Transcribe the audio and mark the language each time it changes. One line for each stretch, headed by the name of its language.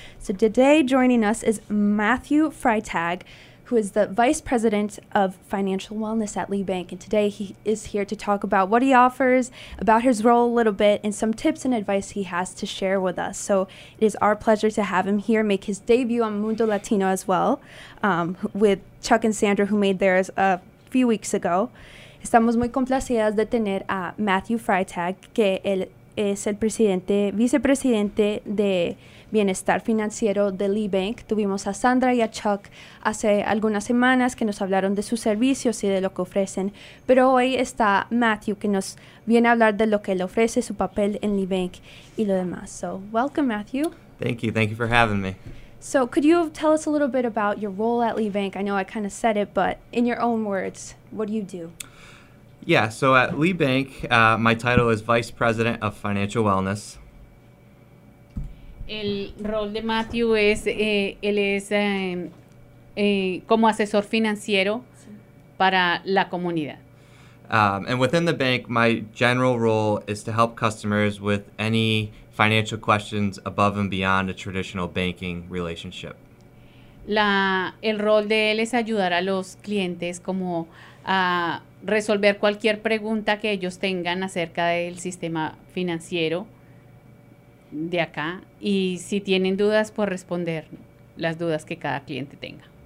English: So today joining us is Matthew Freitag, who is the Vice President of Financial Wellness at Lee Bank. And today he is here to talk about what he offers, about his role a little bit, and some tips and advice he has to share with us. So it is our pleasure to have him here make his debut on Mundo Latino as well, with Chuck and Sandra, who made theirs a few weeks ago.
Spanish: Estamos muy complacidas de tener a Matthew Freitag, que él es el presidente, vicepresidente de Bienestar Financiero de Lee Bank. Tuvimos a Sandra y a Chuck hace algunas semanas que nos hablaron de sus servicios y de lo que ofrecen. Pero hoy está Matthew, que nos viene a hablar de lo que él ofrece, su papel en Lee Bank y lo demás.
English: So, welcome, Matthew. Thank you. Thank you for having me. So, could you tell us a little bit about your role at Lee Bank? I know I kind of said it, but in your own words, what do you do? Yeah, so at Lee Bank, my title is Vice President of Financial Wellness.
Spanish: El rol de Matthew es, él es como asesor financiero para la comunidad.
English: And within the bank, my general role is to help customers with any financial questions above and beyond a traditional banking relationship.
Spanish: El rol de él es ayudar a los clientes como a resolver cualquier pregunta que ellos tengan acerca del sistema financiero de acá, y si tienen dudas, pues responder las dudas que cada cliente tenga.